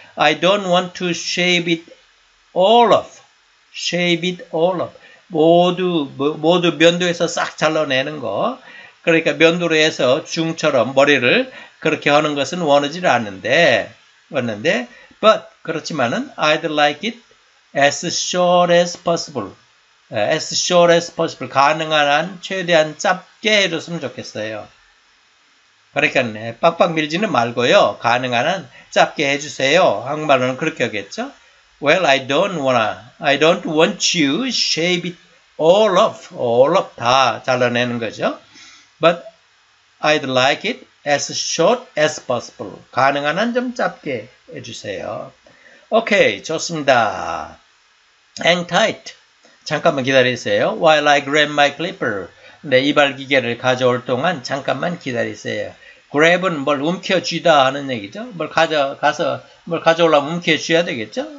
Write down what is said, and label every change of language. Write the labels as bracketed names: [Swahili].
[English] I don't want to shave it all off. Shave it all off. [Korean] 모두 면도해서 싹 잘라내는 거. 그러니까 면도로 해서 중처럼 머리를 그렇게 하는 것은 원하지는 않는데, but 그렇지만은 [English] I'd like it as short as possible. As short as possible. [Korean] 가능한 한 최대한 짧게 해줬으면 좋겠어요. 그러니까 빡빡 밀지는 말고요. 가능한 한 짧게 해주세요. 한국말로는 그렇게 하겠죠? [English] Well, I don't want you shave it all off. All off [Korean] 다 잘라내는 거죠. [English] But I'd like it as short as possible. [Korean] 가능한 한 좀 짧게 해주세요. [English] Okay, [Korean] 좋습니다. [English] Hang tight. [Korean] 잠깐만 기다리세요. [English] While I grab my clipper. [Korean] 내 이발기계를 가져올 동안 잠깐만 기다리세요. Grab은 뭘 움켜쥐다 하는 얘기죠. 뭘 가져가서 뭘 가져오려면 움켜쥐어야 되겠죠.